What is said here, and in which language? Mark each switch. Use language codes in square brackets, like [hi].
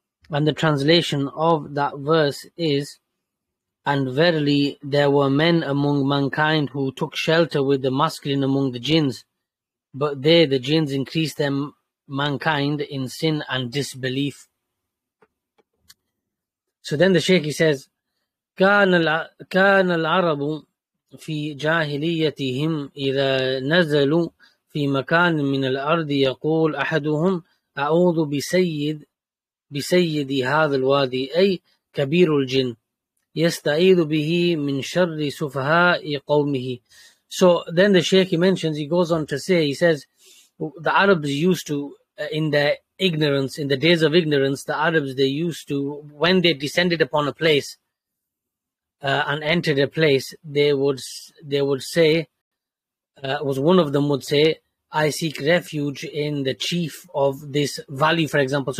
[en] And the translation of that verse is, "And verily there were men among mankind who took shelter with the masculine among the jinns, but they, the jinns, increased them mankind in sin and disbelief." So then the Shaykh, he says, [ar] كان العرب في جاهليتهم إذا نزلوا في مكان من الأرض يقول أحدهم أعوذ بسيد هذا الوادي أي كبير الجن يستعيذ به من شر سفهاء قومه. [en] So then the Shaykh mentions, he goes on to say, he says, the Arabs used to, in their ignorance, in the days of ignorance, the Arabs, they used to, when they descended upon a place and entered a place, they would say, was one of them would say, "I seek refuge in the chief of this valley," for example.